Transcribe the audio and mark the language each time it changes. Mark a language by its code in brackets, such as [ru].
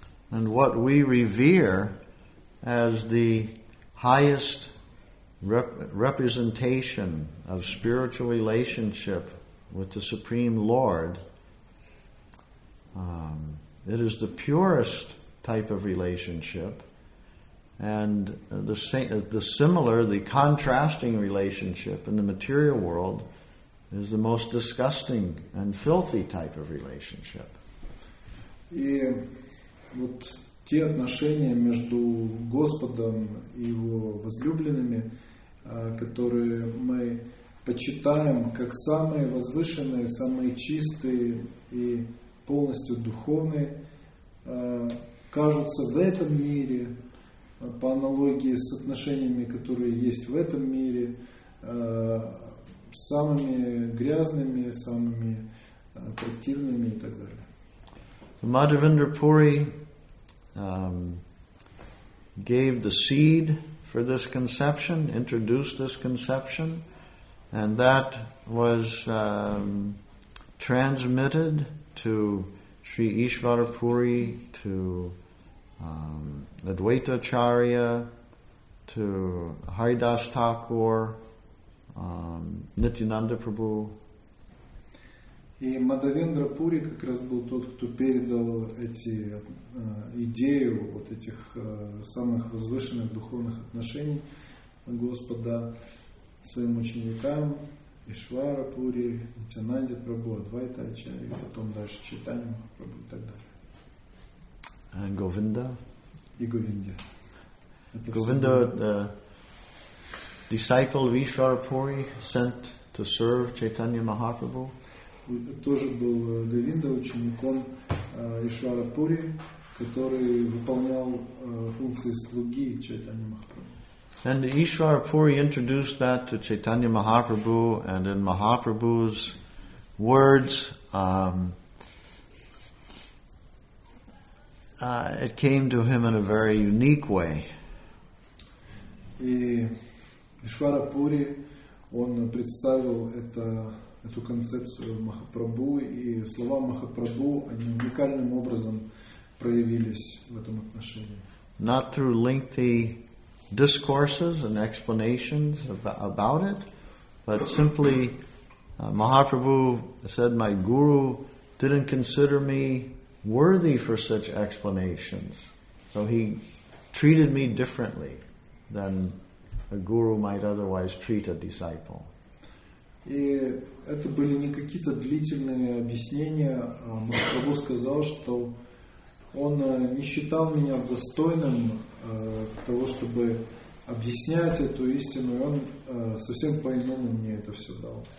[en] And what we revere as the highest representation of spiritual relationship with the Supreme Lord, it is the purest type of relationship, and the contrasting relationship in the material world is the most disgusting and filthy type of relationship. [ru] И вот те отношения между Господом и его возлюбленными, которые мы почитаем как самые возвышенные, самые чистые и полностью духовные, кажутся в этом мире, по аналогии с отношениями, которые есть в этом мире, самыми грязными, самыми противными и так далее. [en] Мадхавендра Пури gave the seed for this conception, introduced this conception, and that was transmitted to Sri Ishvara Puri, to Advaita Acharya, to Haridas Thakur, Nityananda Prabhu. [ru] И Мадхавендра Пури как раз был тот, кто передал эти идею вот этих самых возвышенных духовных отношений Господа своим ученикам Ишвара Пури, Нитянанде Прабху, Адвайта Ачарья, потом дальше Чайтанья Махапрабху и так далее. [en] And Govinda. [ru] И Говинда. [en] Говинда, the disciple of Ишвара Пури, sent to serve Чайтанья Махапрабху. [ru] Тоже был Говинда учеником Ишвара Пури, который выполнял функции слуги Чайтанья Махапрабху. [en] And Ishwar Puri introduced that to Chaitanya Mahaprabhu, and in Mahaprabhu's words, it came to him in a very unique way. [ru] И Ишвара Пури, он представил это, эту концепцию Махапрабху, и слова Махапрабху, они уникальным образом проявились в этом отношении. [en] Not through lengthy discourses and explanations about it, but simply Mahaprabhu said, my guru didn't consider me worthy for such explanations, so he treated me differently than a guru might otherwise treat a disciple. [ru] И это были не какие-то длительные объяснения. Махапрабху сказал, что он не считал меня достойным того, чтобы объяснять эту истину, и он совсем по-иному мне это все дал.